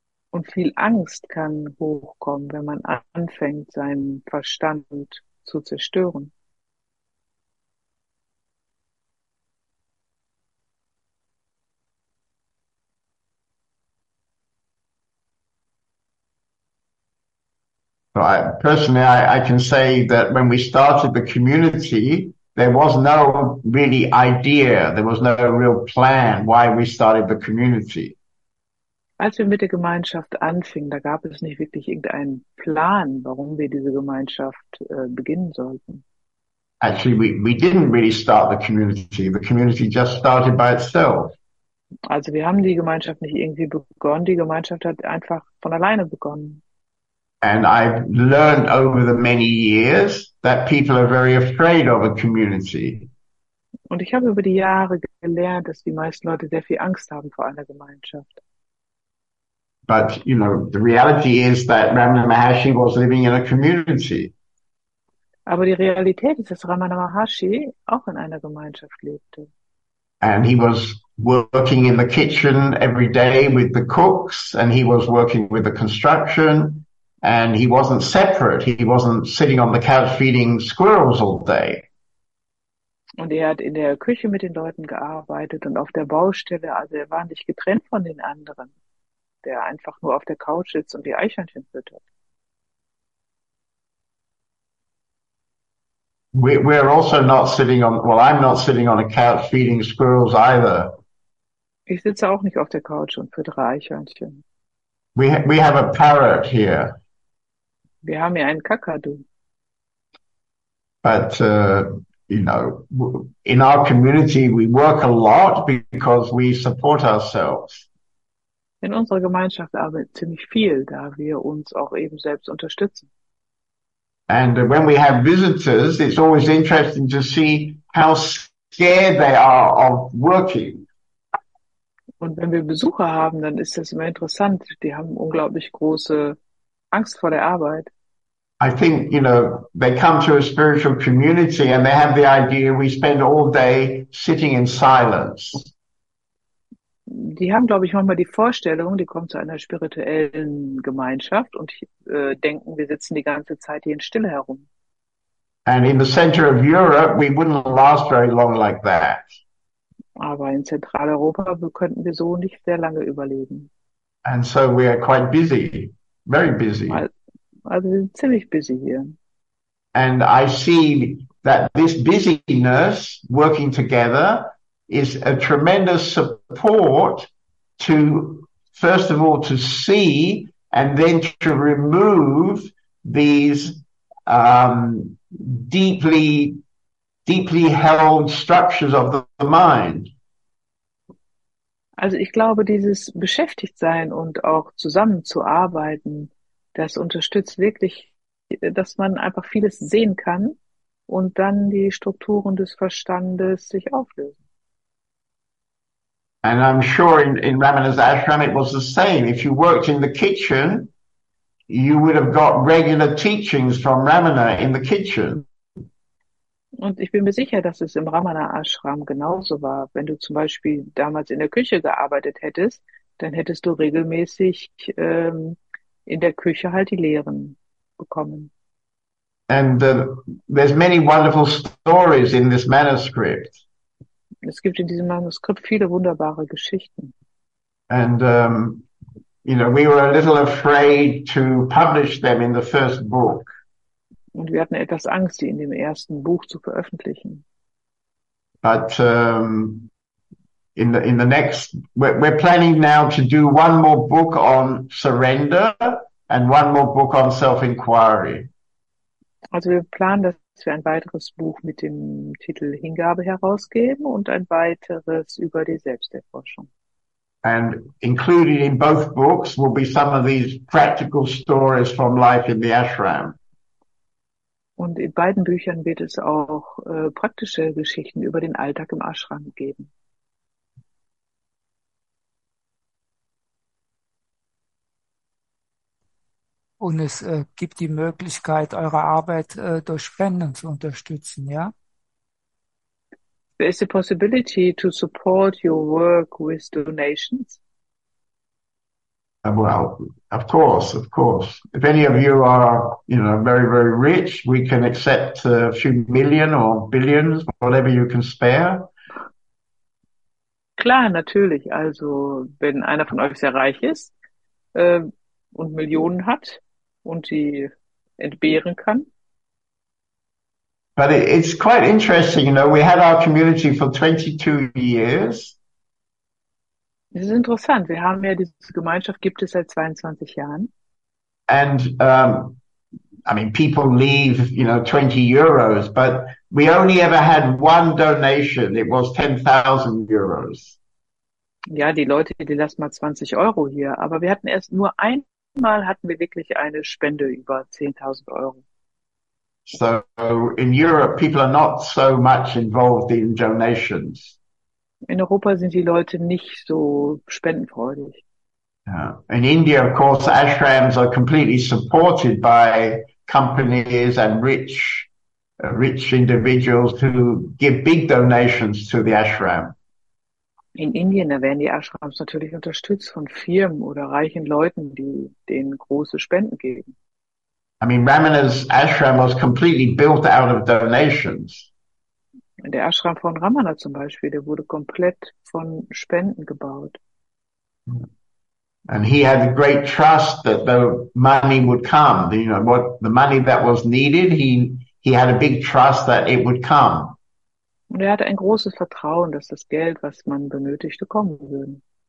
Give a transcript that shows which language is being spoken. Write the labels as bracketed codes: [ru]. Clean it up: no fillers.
[de] Und viel Angst kann hochkommen, wenn man anfängt, seinen Verstand zu zerstören. [en] I, personally, I can say that when we started the community, there was no really idea, there was no real plan why we started the community. [de] Als wir mit der Gemeinschaft anfingen, da gab es nicht wirklich irgendeinen Plan, warum wir diese Gemeinschaft beginnen sollten. [en] Actually, we didn't really start the community. The community just started by itself. [de] Also wir haben die Gemeinschaft nicht irgendwie begonnen, die Gemeinschaft hat einfach von alleine begonnen. [en] And I've learned over the many years that people are very afraid of a community. [de] Und ich habe über die Jahre gelernt, dass die meisten Leute sehr viel Angst haben vor einer Gemeinschaft. [en] But, you know, the reality is that Ramana Maharshi was living in a community. [de] Aber die Realität ist, dass Ramana Maharshi auch in einer Gemeinschaft lebte. [en] And he was working in the kitchen every day with the cooks, and he was working with the construction. And he wasn't separate. He wasn't sitting on the couch feeding squirrels all day. [de] Und er hat in der Küche mit den Leuten gearbeitet und auf der Baustelle. Also er war nicht getrennt von den anderen, der einfach nur auf der Couch sitzt und die Eichhörnchen füttert. [en] We're also not sitting on. Well, I'm not sitting on a couch feeding squirrels either. [de] Ich sitze auch nicht auf der Couch und füttere Eichhörnchen. [en] We have a parrot here. [de] Wir haben hier einen Kakadu. [en] But, you know, in our community we work a lot because we support ourselves. [de] In unserer Gemeinschaft arbeiten ziemlich viel, da wir uns auch eben selbst unterstützen. [en] And when we have visitors, it's always interesting to see how scared they are of working. [de] Und wenn wir Besucher haben, dann ist das immer interessant. Die haben unglaublich große Angst vor der Arbeit. [en] I think, you know, they come to a spiritual community and they have the idea we spend all day sitting in silence. [de] Die haben, glaube ich, manchmal die Vorstellung, die kommen zu einer spirituellen Gemeinschaft und denken, wir sitzen die ganze Zeit hier in Stille herum. [en] And in the center of Europe, we wouldn't last very long like that. [de] Aber in Zentraleuropa könnten wir so nicht sehr lange überleben. [en] And so we are quite busy, very busy. [de] Also wir sind ziemlich busy hier. [en] And I see that this busyness working together is a tremendous support to, first of all, to see and then to remove these deeply held structures of the mind. [de] Also ich glaube, dieses Beschäftigtsein und auch zusammenzuarbeiten, das unterstützt wirklich, dass man einfach vieles sehen kann und dann die Strukturen des Verstandes sich auflösen. [en] And I'm sure in Ramana's ashram it was the same. If you worked in the kitchen, you would have got regular teachings from Ramana in the kitchen. [de] Und ich bin mir sicher, dass es im Ramana Ashram genauso war. Wenn du zum Beispiel damals in der Küche gearbeitet hättest, dann hättest du regelmäßig in der Küche halt die Lehren bekommen. [en] And there's many wonderful stories in this manuscript. [de] Es gibt in diesem Manuskript viele wunderbare Geschichten. [en] And you know, we were a little afraid to publish them in the first book. [de] Und wir hatten etwas Angst, sie in dem ersten Buch zu veröffentlichen. [en] But in the next, we're planning now to do one more book on surrender and one more book on self-inquiry. [de] Also wir planen, dass wir ein weiteres Buch mit dem Titel Hingabe herausgeben und ein weiteres über die Selbsterforschung. [en] And included in both books will be some of these practical stories from life in the ashram. [de] Und in beiden Büchern wird es auch praktische Geschichten über den Alltag im Ashram geben. Und es gibt die Möglichkeit, eure Arbeit durch Spenden zu unterstützen, ja? [en] There is a possibility to support your work with donations. Well, of course, of course. If any of you are, you know, very, very rich, we can accept a few million or billions, whatever you can spare. [de] Klar, natürlich. Also, wenn einer von euch sehr reich ist und Millionen hat und die entbehren kann. [en] But it's quite interesting, you know, we had our community for 22 years. [de] Es ist interessant, wir haben ja diese Gemeinschaft, gibt es seit 22 Jahren. [en] And, I mean, people leave, you know, 20 euros, but we only ever had one donation, it was 10,000 euros. [de] Ja, die Leute, die lassen mal 20 Euro hier, aber wir hatten erst nur einmal, hatten wir wirklich eine Spende über 10.000 Euro. [en] So in Europe, people are not so much involved in donations. [de] In Europa sind die Leute nicht so spendenfreudig. Yeah. [en] In India, of course, ashrams are completely supported by companies and rich individuals who give big donations to the ashram. [de] In Indien, da werden die Ashrams natürlich unterstützt von Firmen oder reichen Leuten, die denen große Spenden geben. [en] I mean, Ramana's ashram was completely built out of donations. [de] Der Ashram von Ramana zum Beispiel, der wurde komplett von Spenden gebaut. [en] And he had a great trust that the money would come. You know, what the money that was needed, he had a big trust that it would come. [de] Und er hatte ein großes Vertrauen, dass das Geld, was man benötigte, kommen würde.